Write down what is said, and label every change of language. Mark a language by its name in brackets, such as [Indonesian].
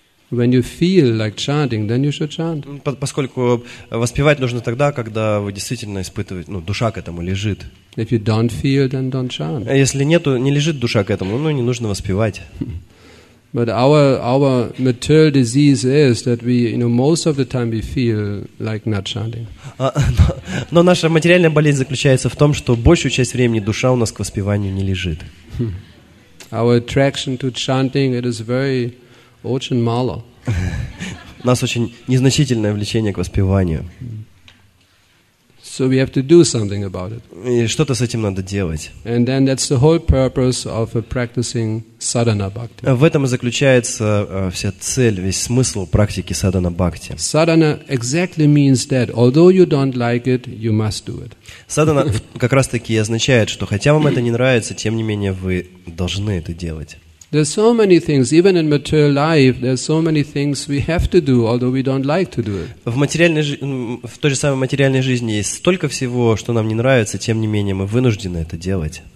[English] When you feel like chanting, then you should chant. [Russian] Поскольку воспевать нужно тогда, когда вы действительно испытываете, душа к этому лежит. [English] If you don't feel, then don't chant. [Russian] Если нету, не лежит душа к этому, не нужно воспевать. [English] But our material disease is that we, you know, most of the time we feel like not chanting. [Russian] Но наша материальная болезнь заключается в том, что большую часть времени душа у нас к воспеванию не лежит. [English] Our attraction to chanting, it is very [Russian] очень мало. У нас очень незначительное влечение к воспеванию. [English] So we have to do something about it. [Russian] И что-то с этим надо делать. [English] And then that's the whole purpose of practicing sadhana bhakti. [Russian] В этом и заключается вся цель, весь смысл практики садхана бхакти. [English] Sadhana exactly means that although you don't like it, you must do it. [Russian] Садхана как раз-таки означает, что хотя вам это не нравится, тем не менее вы должны это делать. [English] There's so many things, even in material life, there's so many things we have to do, although we don't like to do it. [Russian] В той же самой материальной жизни есть столько всего, что нам не нравится, тем не менее мы вынуждены это делать.